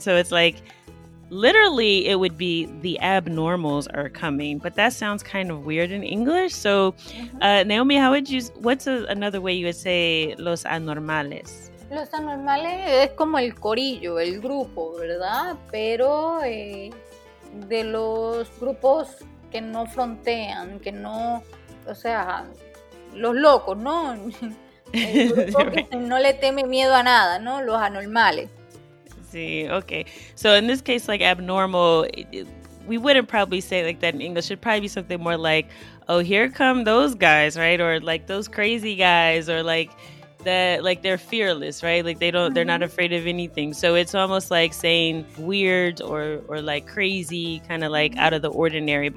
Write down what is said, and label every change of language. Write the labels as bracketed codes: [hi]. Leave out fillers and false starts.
[en] So it's like, literally, it would be the abnormals are coming, but that sounds kind of weird in English. So, Naomi, how would you? What's another way you would say [es] los anormales? Los anormales es como el corillo, el grupo, ¿verdad? Pero de los grupos que no frontean, que no, o sea, los locos, ¿no? El grupo que no le teme miedo a nada, ¿no? Los anormales. [en] Okay, so in this case, like abnormal, we wouldn't probably say like that in English. It'd probably be something more like, oh, here come those guys, right? Or like those crazy guys, or like that, like they're fearless, right? Like they don't, they're not afraid of anything. So it's almost like saying weird or like crazy, kind of like out of the ordinary.